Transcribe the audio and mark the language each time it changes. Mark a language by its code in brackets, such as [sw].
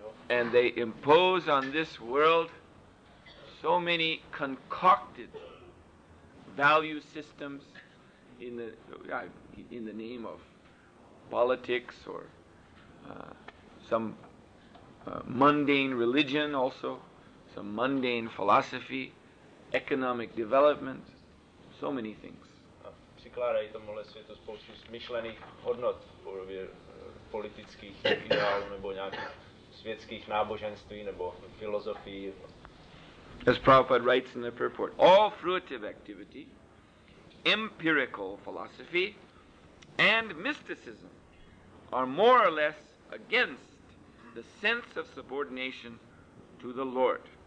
[en] And they impose on this world so many concocted value systems in the name of politics or some mundane religion, also some mundane philosophy, economic development, so many things. [cs] Přikládají tomuhle světu spoustu smyšlených hodnot v podobě politických ideálů nebo nějakých světských náboženství nebo filozofií. [en] As Prabhupada writes in the purport, all fruitive activity, empirical philosophy, and mysticism are more or less against the sense of subordination to the Lord.